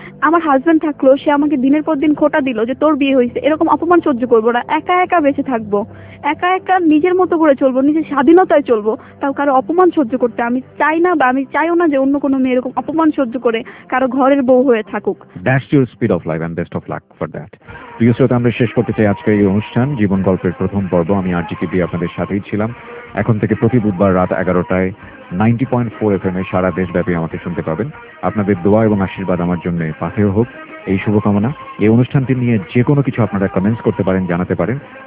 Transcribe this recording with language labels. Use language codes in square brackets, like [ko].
[bn] আমার হাজবেন্ড থাকলো, সে আমাকে দিনের পর দিন খোটা দিল যে তোর বিয়ে হয়েছে, এরকম অপমান সহ্য করবো না, একা একা বেঁচে থাকবো, একা একা নিজের মতো করে চলবো, নিজের স্বাধীনতায় চলবো, তাও কারো অপমান সহ্য করতে আমি চাই না, বা আমি চাইও না যে অন্য কোনো মেয়ের অপমান সহ্য করে কারো ঘরের বউ হয়ে থাকুক। [en] That's your speed of life and best of luck for that. [bn] প্রিয় শ্রোতা, আমরা শেষ করতে চাই আজকের এই অনুষ্ঠান, জীবন গল্পের প্রথম পর্ব। আমি আর জি কে পি আপনাদের সাথেই ছিলাম। এখন থেকে প্রতি বুধবার রাত 11টায় 90.4 FM সারা দেশব্যাপী আমাকে শুনতে পাবেন। আপনাদের দোয়া এবং আশীর্বাদ আমার জন্য পাথেয় হোক এই শুভকামনা। এই অনুষ্ঠানটি নিয়ে যে কোনো কিছু আপনারা কমেন্টস করতে পারেন, জানাতে পারেন।